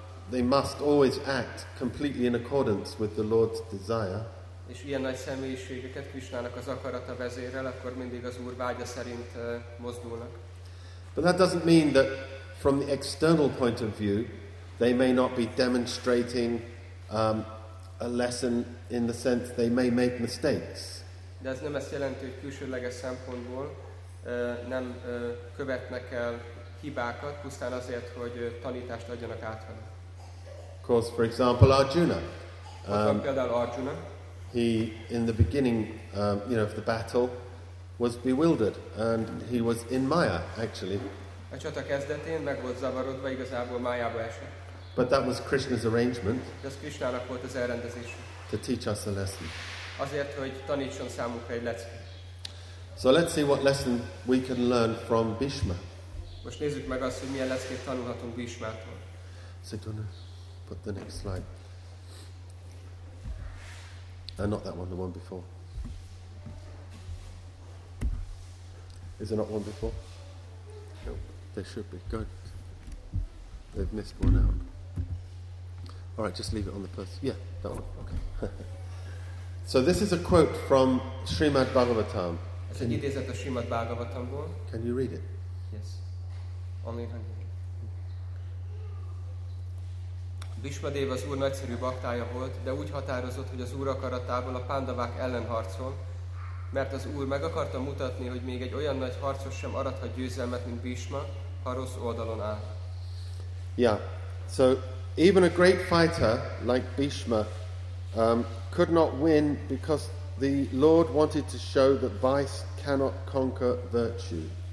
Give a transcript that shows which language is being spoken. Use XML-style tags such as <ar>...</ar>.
<en>They must always act completely in accordance with the Lord's desire.</en> <hu>És ilyen nagy személyiségeket Krishnának az akarata vezérel, akkor mindig az Úr vágya szerint mozdulnak.</hu> <en>But that doesn't mean that from the external point of view, they may not be demonstrating a lesson in the sense they may make mistakes.</en> <hu>De ez nem azt jelenti, hogy külsőleges szempontból nem követnek el hibákat, pusztán azért, hogy tanítást adjanak át vele.</hu> <en>Of course, for example, Arjuna.</en> <hu>Például Arjuna.</hu> <en>He, in the beginning, you know, of the battle, was bewildered, and he was in Maya, actually.</en> <hu>A csata kezdetén meg volt zavarodva, igazából Mayába esett.</hu> <en>But that was Krishna's arrangement.</en> <hu>De ez Krishnának volt az elrendezés.</hu> <en>To teach us a lesson.</en> <hu>Azért, hogy tanítson számukra egy leckét.</hu> <en>So let's see what lesson we can learn from Bhishma.</en> <hu>Most nézzük meg azt, hogy milyen leckét tanulhatunk Bhishmától.</hu> <en>So you wanna put the next slide. No, not that one, the one before. Is there not one before? No. There should be. Good. They've missed one out. All right, just leave it on the purse. Yeah, that one. Okay. So this is a quote from Srimad Bhagavatam. Can you read it? Yes. Only in Hungary.</en> <hu>Bhishmadev az Úr nagyszerű baktája volt, de úgy határozott, hogy az Úr akaratával a pándavák ellen harcol, mert az Úr meg akarta mutatni, hogy még egy olyan nagy harcos sem arathat győzelmet, mint Bhishma, ha rossz oldalon áll.</hu> <en>Yeah, so even a great fighter like Bhishma could not win because the Lord wanted to show that vice cannot conquer virtue.</en>